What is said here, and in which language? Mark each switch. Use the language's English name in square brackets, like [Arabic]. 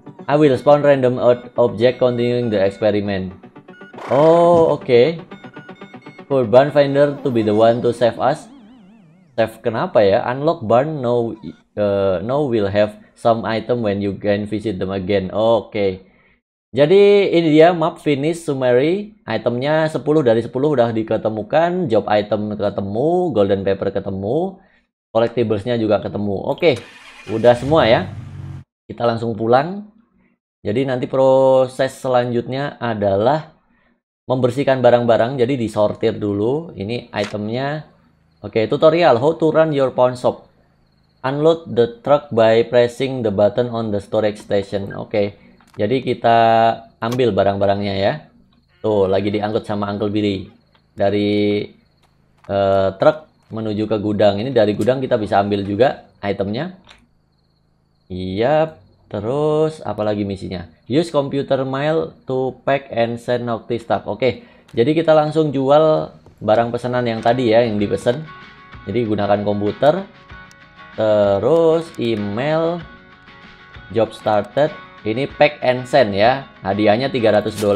[English] I will spawn random object continuing the experiment. Oh, oke. For barn finder to be the one to save us. Save [Indonesian] kenapa ya? [English] Unlock barn, now will have some item when you can visit them again. [Indonesian] Oke. Jadi ini dia map finish summary. Itemnya 10 dari 10 udah diketemukan. Job item ketemu. Golden paper ketemu. Collectiblesnya juga ketemu. Oke. Udah semua ya. Kita langsung pulang. Jadi nanti proses selanjutnya adalah membersihkan barang-barang. Jadi disortir dulu. Ini itemnya. Oke. [English] Tutorial how to run your pawn shop. Unload the truck by pressing the button on the storage station. [Indonesian] Oke. Jadi kita ambil barang-barangnya ya. Tuh, lagi diangkut sama Uncle Billy. Dari truk menuju ke gudang. Ini dari gudang kita bisa ambil juga itemnya. Iya. Yep. Terus, apalagi misinya? [English] Use computer mail to pack and send Naughty Stuff. [Indonesian] Oke. Jadi kita langsung jual barang pesanan yang tadi ya, yang dipesan. Jadi gunakan komputer. Terus [English] email job started, [Indonesian] ini [English] pack and send [Indonesian] ya, hadiahnya $300.